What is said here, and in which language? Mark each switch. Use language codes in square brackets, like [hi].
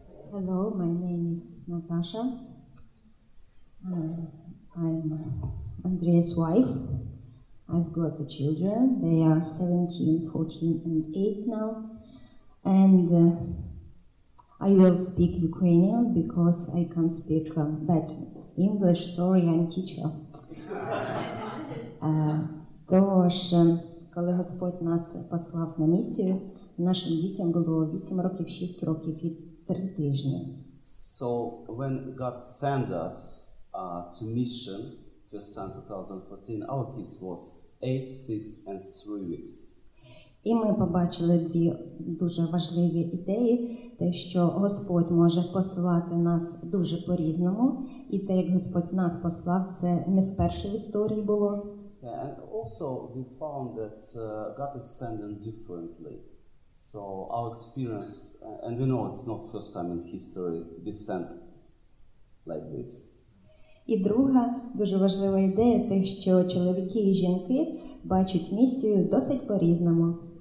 [en] Hello, my name is Natasha. I'm Andrea's wife. I've got the children. They are 17, 14, and 8 now. And I will speak Ukrainian because I can't speak bad English. Sorry, I'm teacher. [uk] Тож, коли Господь нас послав на місію, нашим дітям було 8 років, 6 років і 3 тижні. [en] So when God sent us to mission first time 2014, our kids was 8, 6 and 3 weeks. [uk] І ми побачили дві дуже важливі ідеї, те, що Господь може посилати нас дуже по-різному, і те, як Господь нас послав, це не вперше в історії було. [en] Yeah, and also we found that God is sending differently. So our experience, and we know it's not first time in history, we sent like this. [uk] І друга дуже важлива ідея – те, що чоловіки і жінки бачать місію досить по-різному.